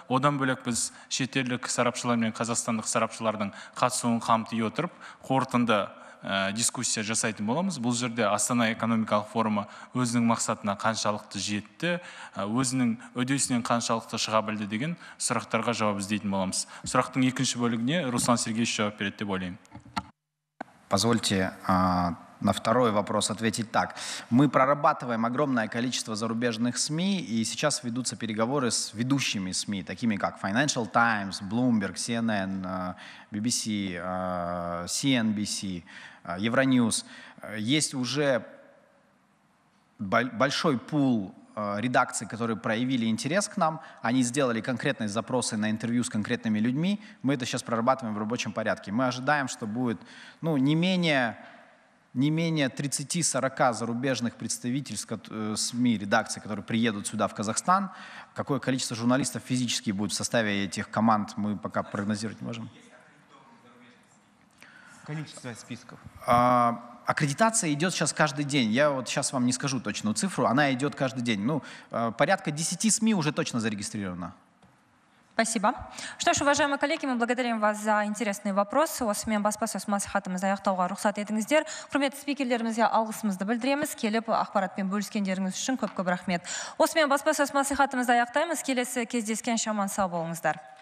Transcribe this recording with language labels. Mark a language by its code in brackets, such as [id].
[kk] Одан бөлек біз шетелдік сарапшылар мен қазақстандық сарапшылардың қатысуын қамти отырып, қорытынды дискуссия жасайтын боламыз. Бұл жерде Астана экономикалық форумы өзінің мақсатына қаншалықты жетті, өзінің үдесінен қаншалықты шыға білді деген сұрақтарға жауап іздейтін боламыз. Сұрақтың екінші бөлігіне Руслан Сергеевич жауап береді деп ойлаймын. [ru] Позвольте на второй вопрос ответить так. Мы прорабатываем огромное количество зарубежных СМИ, и сейчас ведутся переговоры с ведущими СМИ, такими как Financial Times, Bloomberg, CNN, BBC, CNBC, Euronews. Есть уже большой пул редакций, которые проявили интерес к нам. Они сделали конкретные запросы на интервью с конкретными людьми. Мы это сейчас прорабатываем в рабочем порядке. Мы ожидаем, что будет не менее не менее 30-40 зарубежных представительств СМИ, редакций, которые приедут сюда, в Казахстан. Какое количество журналистов физически будет в составе этих команд, мы пока прогнозировать не можем. Количество списков. Аккредитация идет сейчас каждый день. Я вот сейчас вам не скажу точную цифру, она идет каждый день. Ну, порядка 10 СМИ уже точно зарегистрировано. Спасибо. Что ж, уважаемые коллеги, мы благодарим вас за интересные вопросы. [kk] Осы мен баспасөз мәслихатымызды аяқтауға рұқсат етіңіздер. Құрметті спикерлерімізге алғысымызды білдіреміз. Келіп ақпаратпен бөліскендеріңіз үшін көп-көп рахмет. Осы мен баспасөз мәслихатымызды аяқтаймыз. Келесі кездескен шаман сау болыңыздар.